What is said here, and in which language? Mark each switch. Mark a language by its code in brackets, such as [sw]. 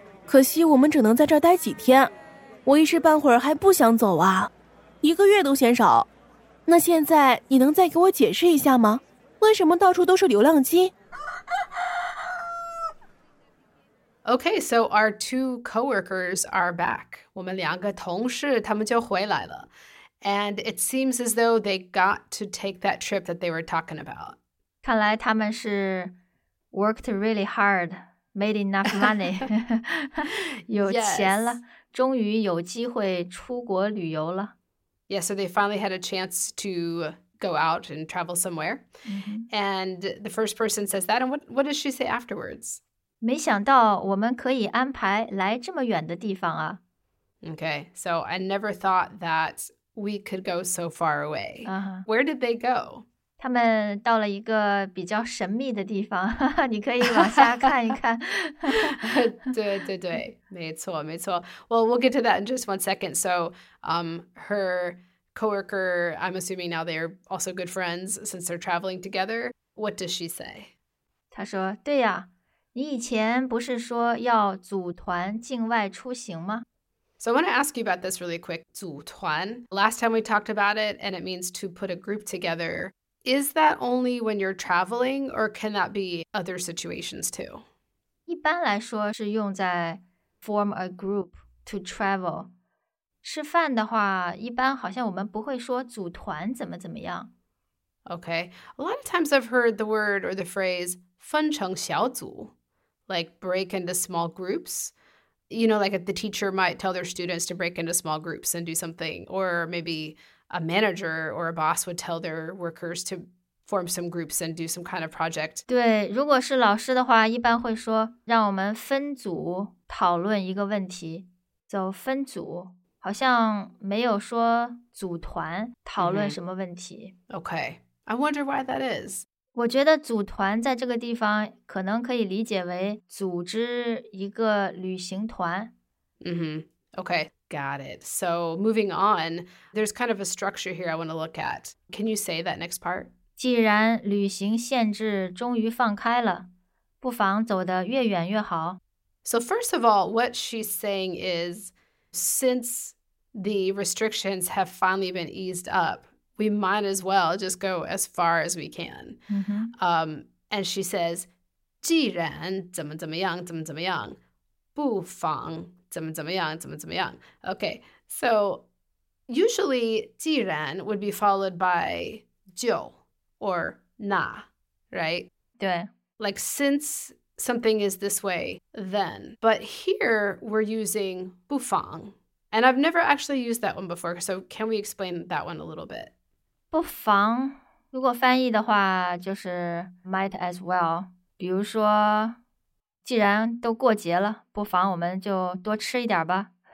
[zh] 可惜我们只能在这儿待几天，我一时半会儿还不想走啊，一个月都嫌少。那现在你能再给我解释一下吗？为什么到处都是流浪鸡? [en] Okay, so our two coworkers are back. [zh] 我们两个同事他们就回来了。 [en] And it seems as though they got to take that trip that they were talking about. [zh] 看来他们是 [en] worked really hard, made enough money. [zh] 有钱了,终于有机会出国旅游了。 [en] Yeah, so they finally had a chance to... go out and travel somewhere. Mm-hmm. And the first person says that. And what does she say afterwards? [zh] 没想到我们可以安排来这么远的地方啊。 [en] Okay, so I never thought that we could go so far away. Uh-huh. Where did they go? [zh] 他们到了一个比较神秘的地方。你可以往下看一看。对对对，没错没错。 [en] Well, we'll get to that in just one second. So her... coworker, I'm assuming now they're also good friends since they're traveling together. What does she say? [zh] 她说，对呀，你以前不是说要组团境外出行吗？ [en] So I want to ask you about this really quick. 组团, last time we talked about it, and it means to put a group together. Is that only when you're traveling, or can that be other situations too? [zh] 一般来说是用在 [en] form a group to travel. [zh] 吃饭的话，一般好像我们不会说组团怎么怎么样。 [en] Okay, a lot of times I've heard the word or the phrase 分成小组 like break into small groups. You know, like the teacher might tell their students to break into small groups and do something, or maybe a manager or a boss would tell their workers to form some groups and do some kind of project. [zh] 对，如果是老师的话，一般会说让我们分组讨论一个问题，走分组。好像没有说组团讨论什么问题。 [en] Mm-hmm. Okay, I wonder why that is. [zh] 我觉得组团在这个地方可能可以理解为组织一个旅行团。 [en] Mm-hmm. Okay, Got it. So moving on, there's kind of a structure here I want to look at. Can you say that next part? [zh] 既然旅行限制终于放开了，不妨走得越远越好。 [en] So first of all, what she's saying is, since the restrictions have finally been eased up, we might as well just go as far as we can. Mm-hmm. And she says, [zh] 既然怎么怎么样怎么怎么样，不妨怎么怎么样怎么怎么样。 [en] Okay, so usually 既然 would be followed by 就 or 那, right? [zh] 对。 [en] Like since something is this way, then. But here we're using 不妨. And I've never actually used that one before, so can we explain that one a little bit? [zh] 不妨,如果翻译的话就是 [en] might as well。 [zh] 比如说,既然都过节了,不妨我们就多吃一点吧。